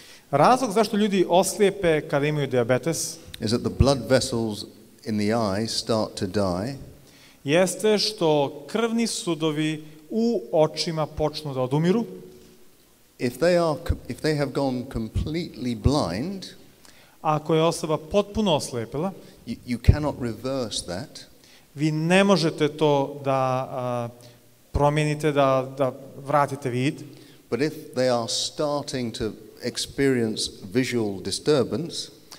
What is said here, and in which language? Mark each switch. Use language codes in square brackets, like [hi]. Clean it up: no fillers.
[bs] razlog zašto ljudi oslijepe kada imaju dijabetes, [en] is that the blood vessels in the eye start to die. [bs] Jeste što krvni sudovi u očima počnu da odumiru. [en] If they have gone completely blind, [bs] ako je osoba potpuno oslijepila, [en] you cannot reverse that. [bs] Vi ne možete to da promijenite, da vratite vid. [en] But if they are starting to experience visual disturbance,